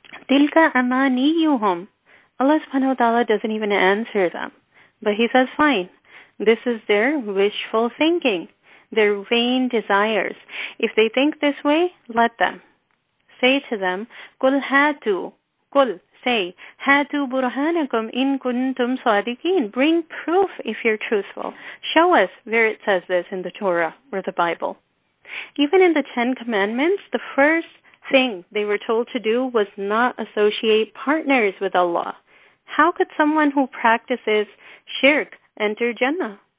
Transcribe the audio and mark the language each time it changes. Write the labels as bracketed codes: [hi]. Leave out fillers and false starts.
[ar] تِلْكَ أَمَانِيُّهُمْ. [en] Allah subhanahu wa ta'ala doesn't even answer them. But He says, fine, this is their wishful thinking, their vain desires. If they think this way, let them. Say to them, [ar] قُلْ هَاتُوا. قُلْ, [en] say, [ar] هَاتُوا بُرْهَانَكُمْ إِن كُنْتُمْ صَادِقِينَ. [en] Bring proof if you're truthful. Show us where it says this in the Torah or the Bible. Even in the Ten Commandments, the first thing they were told to do was not associate partners with Allah. How could someone who practices shirk enter Jannah?